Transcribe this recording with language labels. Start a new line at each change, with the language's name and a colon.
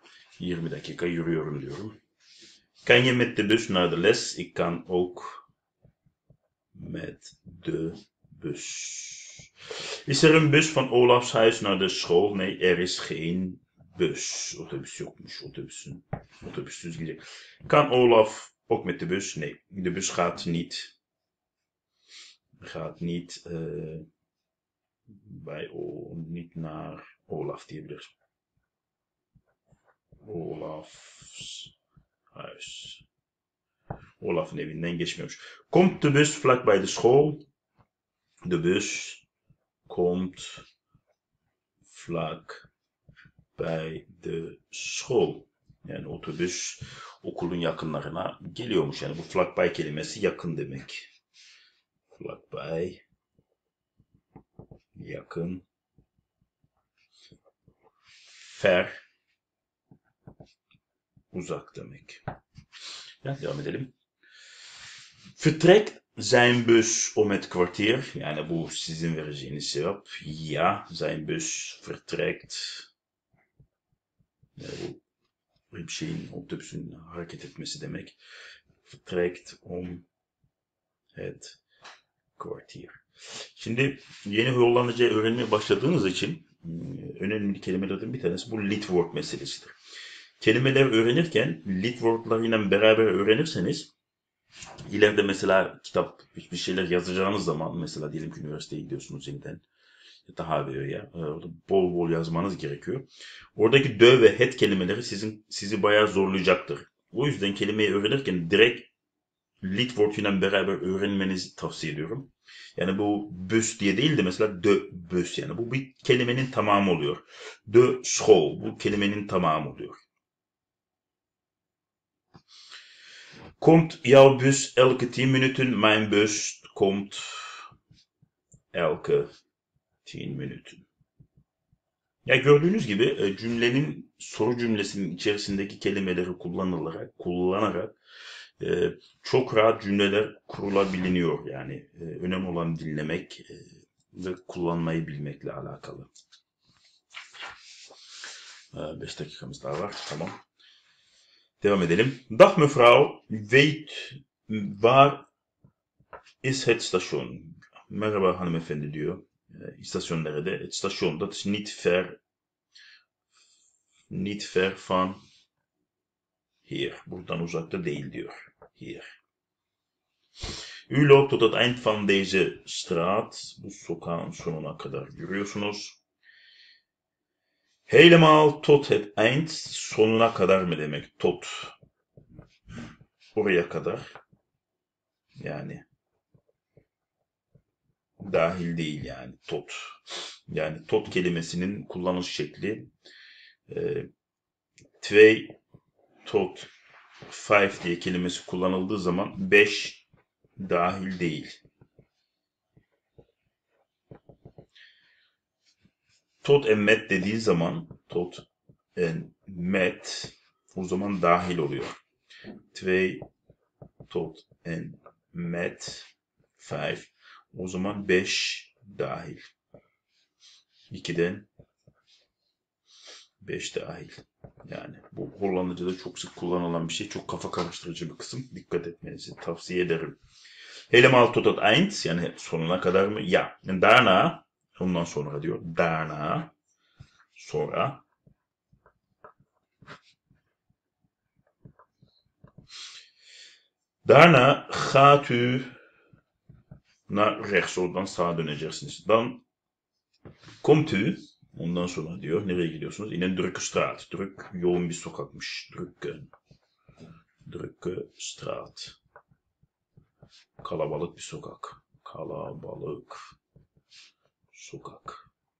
Turkish: 20 dakika yürüyorum diyorum.
Dutch: Kan je met de bus naar de les? Ik kan ook met de bus. Is er een bus van Olaf's huis naar de school? Nee, er is geen bus.
Turkish: Otobüs yokmuş. Otobüs düz gidecek.
Dutch: Kan Olaf ook met de bus? Nee, de bus gaat niet. Gaat niet bij o niet naar Olaf
Turkish: diyebiliriz.
Dutch: Olaf's huis.
Turkish: Olaf'ın evinden geçmiyormuş.
Dutch: Komt de bus vlak bij de school? De bus komt vlak bij de school.
Turkish: Yani otobüs okulun yakınlarına geliyormuş. Yani bu vlak bij kelimesi yakın demek. Vlak bij yakın. Fer uzak demek. Ya, devam edelim.
Dutch: Vertrekt zijn bus om het kwartier.
Turkish: Yani bu sizin vereceğiniz cevap. Ya,
Dutch: zijn bus vertrekt.
Turkish: Yani bu bir şeyin otobüsün hareket etmesi demek.
Dutch: Vertrekt om het kwartier.
Turkish: Şimdi yeni Hollandaca öğrenmeye başladığınız için önemli kelimelerden bir tanesi bu lit word meselesidir. Kelimeler öğrenirken lit word'larıyla beraber öğrenirseniz ileride mesela kitap bir şeyler yazacağınız zaman mesela diyelim ki üniversiteye gidiyorsunuz yeniden daha veriyor ya orada bol bol yazmanız gerekiyor. Oradaki de ve het kelimeleri sizi bayağı zorlayacaktır. O yüzden kelimeyi öğrenirken direkt lit word'uyla beraber öğrenmenizi tavsiye ediyorum. Yani bu büs diye değil de mesela de büs yani bu bir kelimenin tamamı oluyor. De school bu kelimenin tamamı oluyor.
Dutch: Komt jouw bus elke 10 minuten? Mijn bus komt elke 10 minuten.
Turkish: Ya gördüğünüz gibi cümlenin soru cümlesinin içerisindeki kelimeleri kullanarak çok rahat cümleler kurulabiliyor. Yani önemli olan dinlemek ve kullanmayı bilmekle alakalı. 5 dakikamız daha var. Tamam. Devam edelim.
Dutch: Dag mevrouw, weet waar is het station?
Turkish: Merhaba hanımefendi diyor. İstasyon nerede?
Dutch: Het station, dat is niet ver van hier.
Turkish: Buradan uzakta değil diyor.
Dutch: Hier. U loopt tot het eind van deze straat.
Turkish: Bu sokağın sonuna kadar yürüyorsunuz.
Dutch: Helemaal tot het eind.
Turkish: Sonuna kadar mı demek? Tot. Oraya kadar. Yani. Dahil değil yani. Tot. Yani tot kelimesinin kullanış şekli. Twee tot five diye kelimesi kullanıldığı zaman 5 dahil değil. Tot en met dediği zaman tot en met o zaman dahil oluyor. Twee tot en met five o zaman 5 dahil. 2'den 5 dahil. Yani bu Hollanda'da çok sık kullanılan bir şey. Çok kafa karıştırıcı bir kısım. Dikkat etmenizi tavsiye ederim.
Dutch: Helemaal tot het eind.
Turkish: Yani sonuna kadar mı? Ya. Daarna. Ondan sonra diyor. Daarna. Sonra.
Dutch: Daarna gaat u naar rechts.
Turkish: Oradan sağa döneceksiniz.
Dutch: Dan komt u.
Turkish: Ondan sonra diyor nereye gidiyorsunuz? İnen Drukke Straat. Druk yoğun bir sokakmış. Drukke Straat. Kalabalık bir sokak. Kalabalık sokak.